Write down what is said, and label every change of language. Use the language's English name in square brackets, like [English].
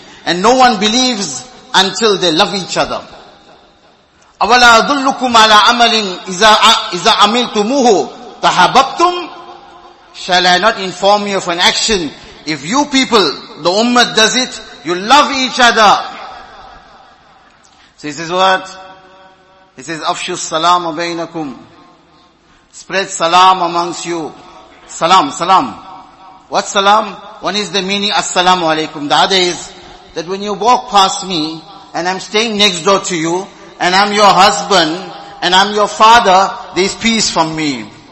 [English] And no one believes until they love each other. [Arabic] أَوَلَا أَذُلُّكُمْ عَلَىٰ عَمَلٍ إِذَا عَمِلْتُمُوهُ تَحَبَبْتُمْ. [English] Shall I not inform you of an action? If you people, the ummah does it, you love each other. So he says what? He says, [Arabic] أَفْشُ السَّلَامَ بَيْنَكُمْ. [English] Spread salam amongst you. Salam, salam. What salam? One is the meaning, assalamu alaikum. The other is, that when you walk past me, and I'm staying next door to you, and I'm your husband, and I'm your father, there is peace from me.